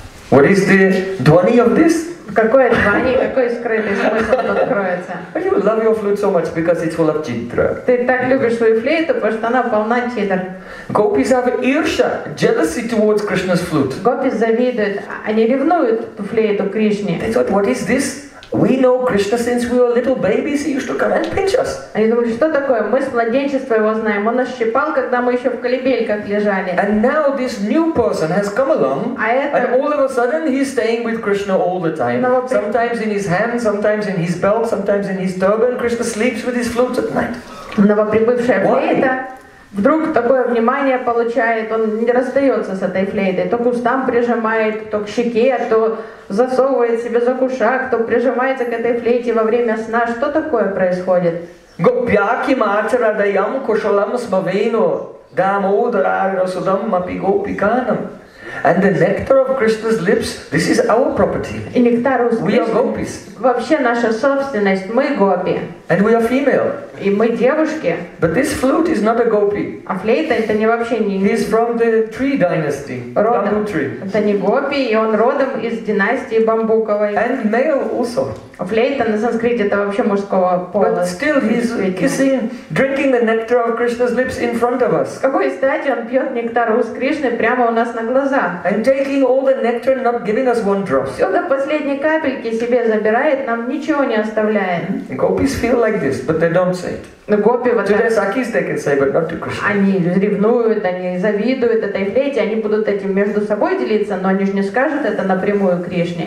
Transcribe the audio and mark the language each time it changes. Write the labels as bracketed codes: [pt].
[en] What is the dhvani of this? [ru] Какое звание, какой скрытый смысл тут кроется? [en] You love your flute so much because it's full of chitra. [ru] Ты так любишь свою флейту, потому что она полна читр. [en] Gopis have irsha, jealousy towards Krishna's flute. [ru] Gopis завидуют, они ревнуют эту флейту Кришне. [en] They thought, what is this? We know Krishna since we were little babies. He used to come and pinch us. [ru] Они думают, что такое? Мы с младенчества его знаем. Он нас щипал, когда мы еще в колыбельках лежали. [en] And now this new person has come along, and all of a sudden he's staying with Krishna all the time. Sometimes in his hand, sometimes in his belt, sometimes in his turban. Krishna sleeps with his flute at night. [ru] Новоприбывшая флейта. Вдруг такое внимание получает, он не расстается с этой флейтой. То к устам прижимает, то к щеке, то засовывает себе за кушак, то прижимается к этой флейте во время сна. Что такое происходит? Гопьяки матера даям кушалам смавейну, дамудрарина судам мапигопиканам. [en] And the nectar of Krishna's lips, this is our property. We are gopis. [ru] Вообще наша собственность, мы гопи. [en] And we are female. [ru] И мы девушки. [en] But this flute is not a gopi. [ru] А флейта это не вообще не. [en] He's from the tree dynasty, bamboo tree. [ru] Это не гопи, и он родом из династии бамбуковой. [en] And male also. [ru] Флейта на санскрите это вообще мужского пола. [en] But still he's kissing, drinking the nectar of Krishna's lips in front of us. [ru] С какой стати он пьет нектар уст Кришны прямо у нас на глазах? [en] And taking all the nectar and not giving us one drop. [ru] Все до последней капельки себе забирает, нам ничего не оставляет. [en] Gopis feel like this, but they don't say it. [ru] Но гопи вот [en] так. To their sakis they can say, but not to Krishna. [ru] Они ревнуют, они завидуют этой флейте, они будут этим между собой делиться, но они же не скажут это напрямую Кришне.